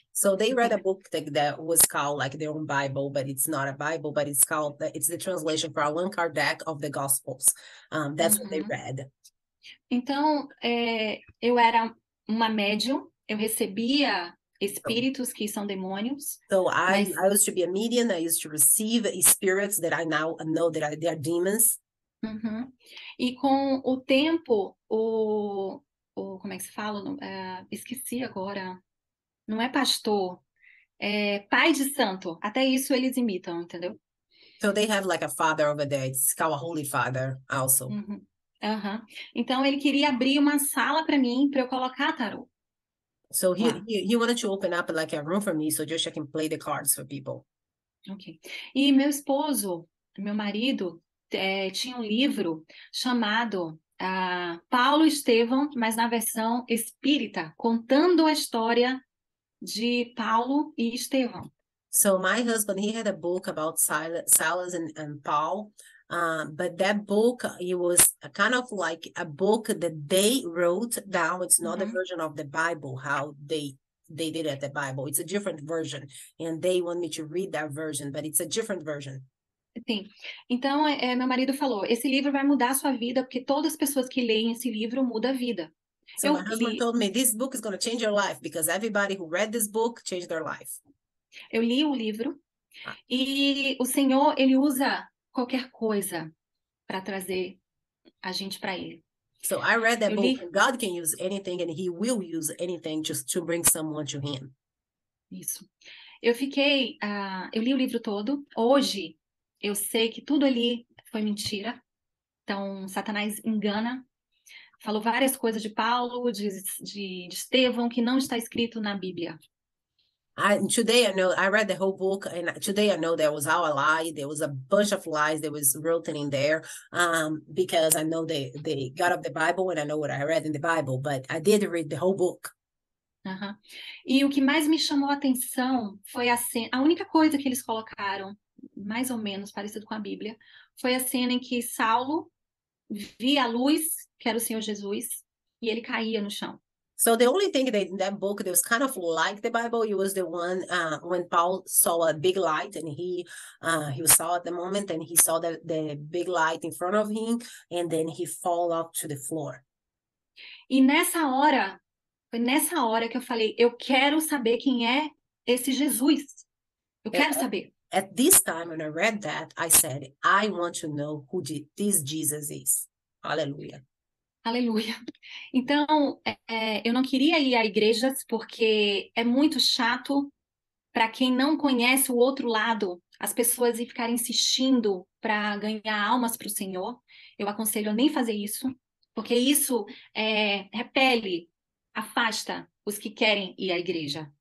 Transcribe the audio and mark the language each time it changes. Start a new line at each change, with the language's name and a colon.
English: So they read a book that was called like their own Bible, but it's not a Bible, but it's called, it's the translation for Allan Kardec of the Gospels. That's what they read.
Portuguese: Então, eu era uma médium, eu recebia espíritos que são demônios.
English: So I used to be a medium, I used to receive spirits that I now know that they are demons.
Portuguese: E com o tempo, como é que se fala? Esqueci agora. Não é pastor, é pai de santo. Até isso eles imitam, entendeu?
English: So they have like a father over there, it's called a holy father also.
Portuguese: Então ele queria abrir uma sala para mim, para eu colocar tarô.
English: So he wanted to open up like a room for me, so just I can play the cards for people.
Portuguese: E meu esposo, meu marido, tinha um livro chamado Paulo Estevão, mas na versão espírita, contando a história de Paulo e Estevão.
English: So my husband, he had a book about Silas and Paul. But that book, it was a kind of like a book that they wrote down. It's not a version of the Bible, how they did it at the Bible. It's a different version. And they want me to read that version, but it's a different version.
Portuguese: Sim. Então, meu marido falou, esse livro vai mudar a sua vida, porque todas as pessoas que leem esse livro mudam a vida.
English: So my husband told me, this book is going to change your life, because everybody who read this book changed their life.
Portuguese: Eu li o livro, e o Senhor, ele usa qualquer coisa para trazer a gente para ele.
English: So I read that book, God can use anything and he will use anything just to bring someone to him.
Portuguese: Isso. Eu li o livro todo. Hoje, eu sei que tudo ali foi mentira. Então, Satanás engana. Falou várias coisas de Paulo, de Estevão, que não está escrito na Bíblia.
English: I read the whole book, and today I know there was all a lie. There was a bunch of lies that was written in there, because I know the God of the Bible, and I know what I read in the Bible, but I did read the whole book.
Portuguese: E o que mais me chamou a atenção foi a cena, a única coisa que eles colocaram, mais ou menos parecido com a Bíblia, foi a cena em que Saulo via a luz, que era o Senhor Jesus, e ele caía no chão.
English: So the only thing that in that book that was kind of like the Bible, it was the one when Paul saw a big light and he saw at the moment and he saw the big light in front of him and then he fall off to the floor.
Portuguese: E nessa hora, foi nessa hora que eu falei, eu quero saber quem é esse Jesus. Eu quero saber.
English: At this time when I read that, I said, I want to know who this Jesus is. Hallelujah.
Portuguese: Aleluia. Então, eu não queria ir a igrejas porque é muito chato para quem não conhece o outro lado, as pessoas ficarem insistindo para ganhar almas para o Senhor. Eu aconselho a nem fazer isso, porque isso repele, afasta os que querem ir à igreja.